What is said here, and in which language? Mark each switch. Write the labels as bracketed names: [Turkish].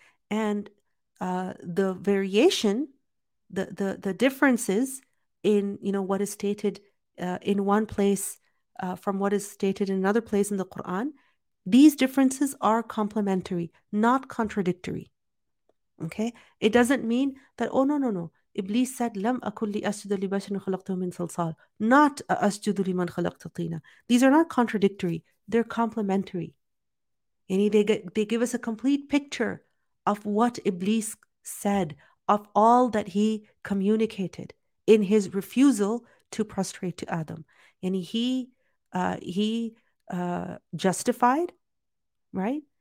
[English] And the variation, the differences in, you know, what is stated in one place from what is stated in another place in the Quran, these differences are complementary, not contradictory. Okay? It doesn't mean that, oh, no. [Arabic] Iblis said, لَمْ أَكُلْ لِأَسْجُدَ لِبَشَرٍ خَلَقْتَهُ مِنْ صَلْصَالٍ. Not أَسْجُدُ لِمَنْ خَلَقْتَ طِينًا. [English] These are not contradictory. They're complementary. Yani they give us a complete picture of what Iblis said, of all that he communicated in his refusal to prostrate to Adam. Yani justified, right?